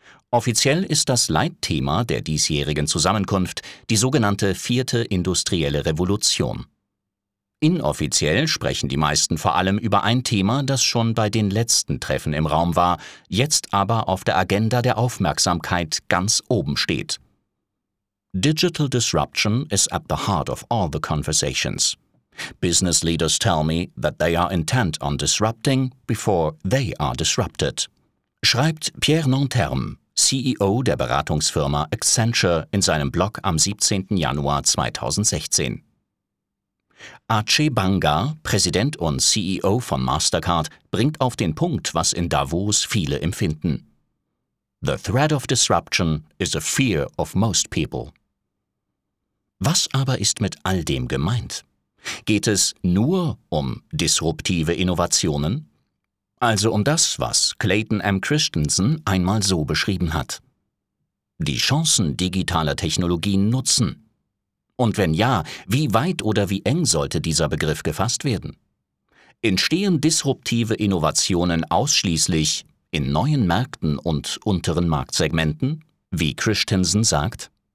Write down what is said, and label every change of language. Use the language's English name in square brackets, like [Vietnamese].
[German] Offiziell ist das Leitthema der diesjährigen Zusammenkunft die sogenannte vierte industrielle Revolution. Inoffiziell sprechen die meisten vor allem über ein Thema, das schon bei den letzten Treffen im Raum war, jetzt aber auf der Agenda der Aufmerksamkeit ganz oben steht. [English] Digital disruption is at the heart of all the conversations. Business leaders tell me that they are intent on disrupting before they are disrupted, [German] schreibt Pierre Nanterme, CEO der Beratungsfirma Accenture, in seinem Blog am 17. Januar 2016. Ache Banga, Präsident und CEO von Mastercard, bringt auf den Punkt, was in Davos viele empfinden. [English] The threat of disruption is a fear of most people. [German] Was aber ist mit all dem gemeint? Geht es nur um disruptive Innovationen? Also um das, was Clayton M. Christensen einmal so beschrieben hat. Die Chancen digitaler Technologien nutzen. Und wenn ja, wie weit oder wie eng sollte dieser Begriff gefasst werden? Entstehen disruptive Innovationen ausschließlich in neuen Märkten und unteren Marktsegmenten, wie Christensen sagt?